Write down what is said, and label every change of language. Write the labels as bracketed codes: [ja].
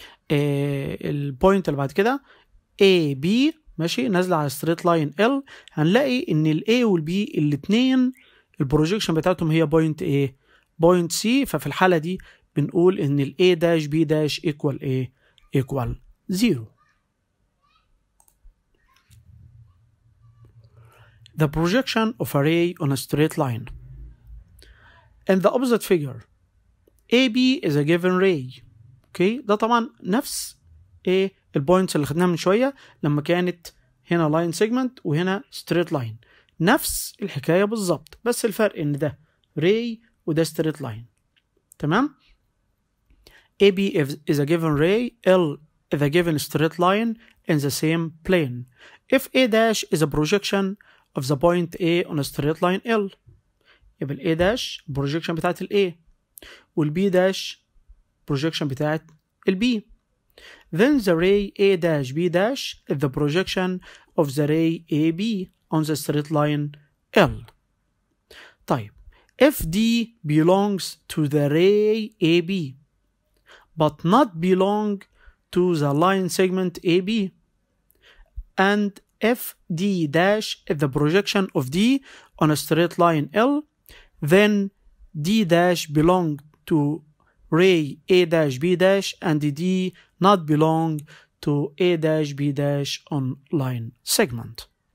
[ar] البوينت اللي بعد كده A B ماشي نازلة على straight line L، هنلاقي ان ال A وال B الاتنين البروجيكشن بتاعتهم هي بوينت A بوينت C، ففي الحالة دي بنقول ان ال A داش B داش equal A equal 0. [en] The projection of a ray on a straight line. In the opposite figure, AB is a given ray. [ar] Okay, ده طبعا نفس A البوينت اللي خدناها من شوية لما كانت هنا لاين سيجمنت وهنا ستريت لاين، نفس الحكاية بالظبط، بس الفرق إن ده ray وده ستريت لاين. تمام؟ [en] AB is a given ray. L is a given straight line in the same plane. If A dash is a projection of the point A on a straight line L. [ar] يبقى ال A داش projection بتاعت ال A وال B داش projection بتاعت ال B. [en] Then the ray A dash B dash is the projection of the ray AB on the straight line L. طيب if D belongs to the ray AB but not belong to the line segment AB and if D dash is the projection of D on a straight line L, then D dash belong to ray A dash B dash and D not belong to A dash B dash on line segment.